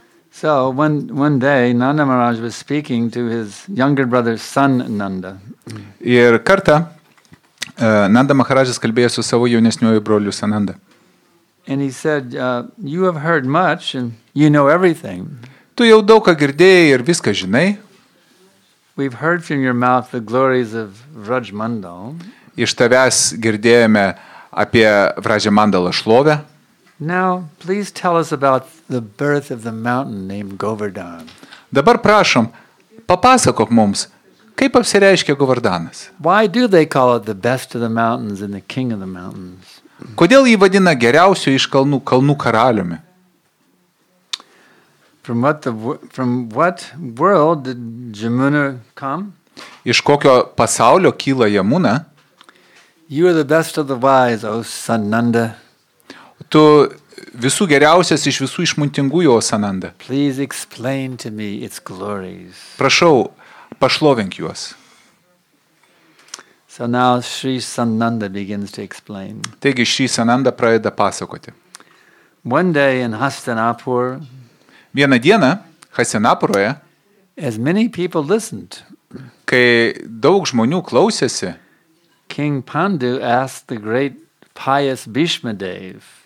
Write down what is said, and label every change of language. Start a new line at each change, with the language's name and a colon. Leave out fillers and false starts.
English: So one day Nanda Maharaj was speaking to his younger brother Sananda.
Lithuanian: Ir kartą Nanda Maharajas kalbėjo su savo jaunesniuoju broliu Sananda.
English: And he said, you have heard much and you know everything.
Lithuanian: Tu jau daug ką girdėjai ir viską žinai.
English: We've heard from your mouth the glories of Vraj Mandal.
Lithuanian: Iš tavęs girdėjome apie Vraja Mandala šlovę.
English: Now, please tell us about the birth of the mountain named Govardhan.
Lithuanian: Dabar prašom, papasakok mums, kaip apsireiškė Govardhanas.
English: Why do they call it the best of the mountains and the king of the mountains?
Lithuanian: Kodėl jį vadina geriausiu iš kalnų, kalnų karaliumi?
English: From what world did Jamuna come?
Lithuanian: Iš kokio pasaulio kyla Jamuna?
English: You are the best of the wise, O Sananda.
Lithuanian: Tu visų geriausias iš visų išmintingųjų, O Sananda.
English: Please explain to me its glories.
Lithuanian: Prašau, pašlovink juos.
English: So now Sri Sananda begins to explain.
Lithuanian: Taigi Sri Sananda pradeda pasakoti.
English: One day in Hastinapur.
Lithuanian: Vieną dieną Hastinapuroje.
English: As many people listened.
Lithuanian: Kai daug žmonių klausėsi.
English: King Pandu asked the great pious Bhishma Dev.